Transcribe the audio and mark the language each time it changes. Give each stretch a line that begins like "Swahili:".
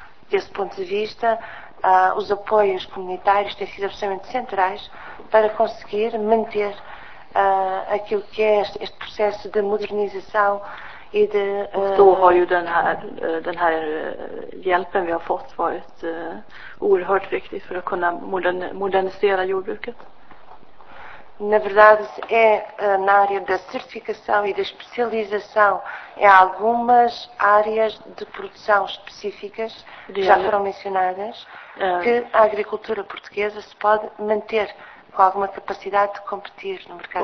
Portuguese: Desse ponto de vista, os apoios comunitários têm sido absolutamente centrais para conseguir manter aquilo que é este processo de modernização.
Swedish: Och då har ju den här hjälpen vi har fått varit oerhört viktig för att kunna modernisera jordbruket.
Portuguese: Na verdade é na área da certificação e da especialização em algumas áreas de produção específicas que já foram mencionadas que a agricultura portuguesa se pode manter com alguma capacidade de competir no mercado.